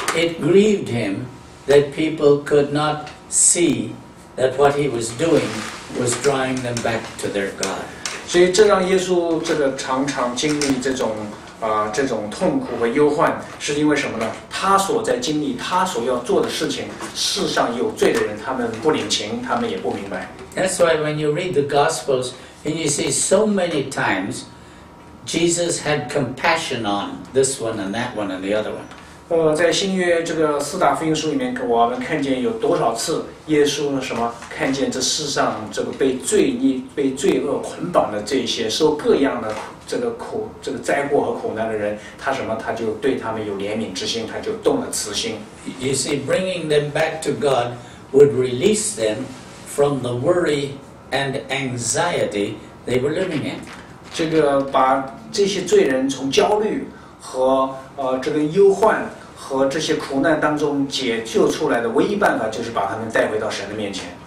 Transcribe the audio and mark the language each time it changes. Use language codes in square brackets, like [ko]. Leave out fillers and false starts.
[en] It grieved him that people could not see that what he was doing was drawing them back to their God. [zh] 所以这让耶稣这个常常经历这种这种痛苦和忧患，是因为什么呢？他所在经历，他所要做的事情，世上有罪的人，他们不领情，他们也不明白。 [en] That's why when you read the Gospels and you see so many times Jesus had compassion on this one and that one and the other one. [zh] 在新约这个四大福音书里面，我们看见有多少次耶稣什么看见这世上这个被罪孽、被罪恶捆绑的这些受各样的这个苦、这个灾祸和苦难的人，他什么他就对他们有怜悯之心，他就动了慈心。 [en] You see, bringing them back to God would release them from the worry and anxiety they were living in. [zh] 这个把这些罪人从焦虑和这个忧患和这些苦难当中解救出来的唯一办法，就是把他们带回到神的面前。